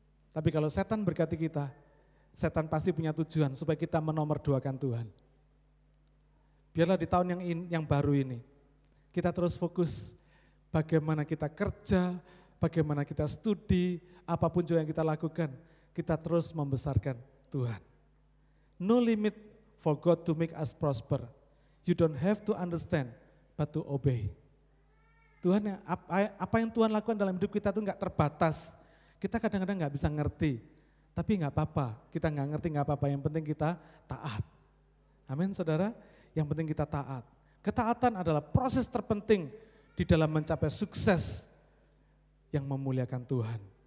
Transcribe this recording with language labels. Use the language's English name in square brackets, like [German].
[Indonesian] Tapi kalau setan berkati kita, setan pasti punya tujuan supaya kita menomorduakan Tuhan. Biarlah di tahun yang baru ini, kita terus fokus bagaimana kita kerja, bagaimana kita studi, apapun juga yang kita lakukan, kita terus membesarkan Tuhan. [English] No limit for God to make us prosper. You don't have to understand, but to obey. [Indonesian] Tuhan, apa yang Tuhan lakukan dalam hidup kita itu gak terbatas. Kita kadang-kadang gak bisa ngerti, tapi gak apa-apa. Kita gak ngerti gak apa-apa, yang penting kita taat. Amin, saudara? Yang penting kita taat. Ketaatan adalah proses terpenting di dalam mencapai sukses yang memuliakan Tuhan.